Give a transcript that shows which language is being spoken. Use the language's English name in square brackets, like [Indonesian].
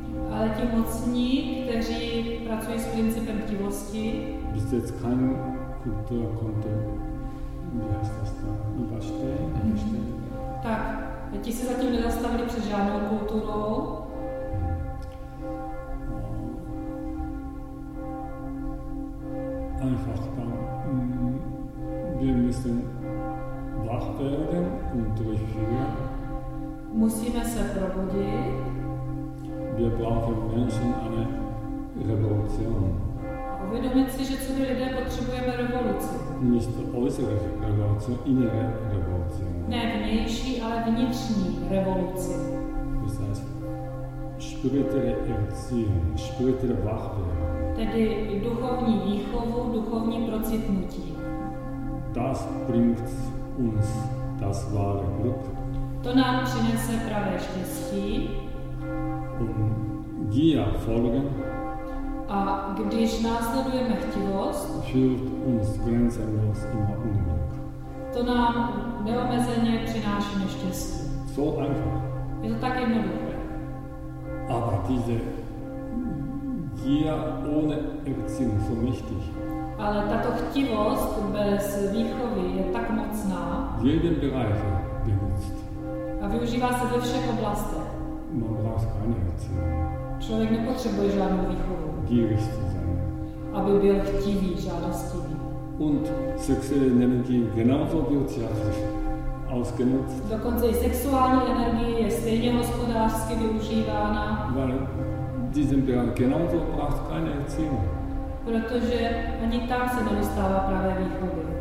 [Czech] Ale ti mocní, kteří pracují s principem chtivosti, [German] bis jetzt kein Kultur konnte, wie heißt das da, überstehen, [Czech] Tak, ti se zatím nedostavili před žádnou kulturou. [German] Einfach dann, wir müssen wach werden und durchführen. [Czech] Musíme se probudit. [German] Wir brauchen Menschen eine Revolution. [Czech] Uvědomit si, že co by lidé potřebujeme revoluci. [German] Nicht äußere Revolution, innere Revolution. [Czech] Ne vnější, ale vnitřní revoluci. [German] Das heißt, spirituelle Erziehung, spirituelle Wachwerdung. [Czech] Tedy duchovní výchovu, duchovní procitnutí. [German] Das bringt uns das wahre Glück. [Czech] To nám přinese pravé štěstí. [German] Gia folgen. [Czech] A když následujeme chtivost, [German] führt uns grenzenlos immer Unglück. [Czech] To nám neomezeně přináší neštěstí. [German] So einfach. [Czech] Je to tak jednoduché. [German] Aber diese Gia ohne Erziehung so mächtig. [Czech] Ale tato chtivost bez výchovy je tak mocná. [German] Jeden Bereich benutzt. [Czech] A využívá se ve všech oblastech. [German] Man braucht keine Erziehung. [Czech] Člověk nepotřebuje žádnou výchovu. [German] Gierig zu sein. [Czech] Aby byl chtivý, žádostivý. [German] Und sexuelle Energie genauso wird sie ausgenutzt. [Czech] Dokonce i sexuální energie je stejně hospodářsky využívána. [German] Weil diesem Bereich genauso braucht keine Erziehung. [Czech] Protože ani tam se nedostává pravé výchovy.